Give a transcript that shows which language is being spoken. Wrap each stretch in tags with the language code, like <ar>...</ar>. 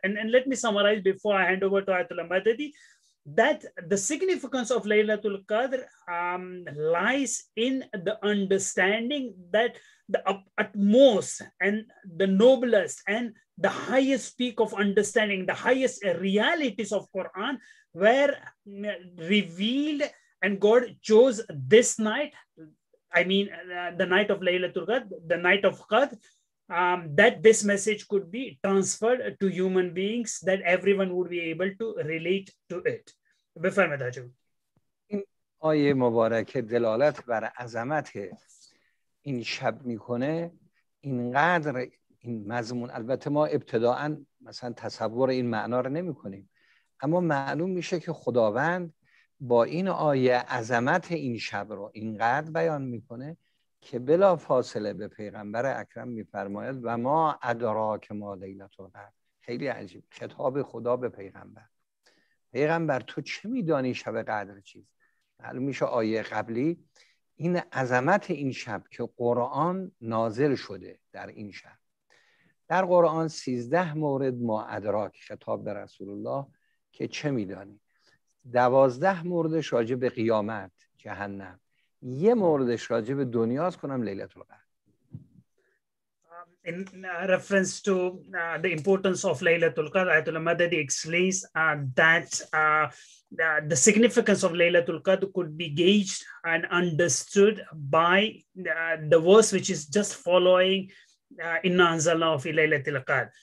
<en>And let me summarize before I hand over to Ayatollah Madadi, that the significance of Laylatul Qadr lies in the understanding that the utmost and the noblest and the highest peak of understanding, the highest realities of Quran, were revealed, and God chose this night, I mean the night of Laylatul Qadr, the night of Qadr, that this message could be transferred to human beings, that everyone would be able to relate to it.</en> <fa>این آیه مبارکه دلالت بر عظمت این شب میکنه. اینقدر این مضمون، البته ما ابتداعا مثلا تصور این معنا رو نمیکنیم، اما معلوم میشه که خداوند با این آیه عظمت این شب رو اینقدر بیان میکنه که بلا فاصله به پیغمبر اکرم میفرماید</fa> <ar>و ما ادراک ما لیلت القدر.</ar> <fa>خیلی عجیب، خطاب خدا به پیغمبر. پیغمبر تو چه میدانی شب قدر چیست؟ میشه آیه قبلی این عظمت این شب که قرآن نازل شده در این شب در قرآن 13 مورد ما ادراک خطاب به رسول الله که چه میدانی 12 موردش راجع به قیامت جهنم یه موردش راجع به دنیاست کنم لیلت القدر</fa> <en>In reference to the importance of Laylatul Qadr, Ayatullah Madadi explains that the significance of Laylatul Qadr could be gauged and understood by the verse which is just following Inna Anzalna fi Laylatul Qadr.</en>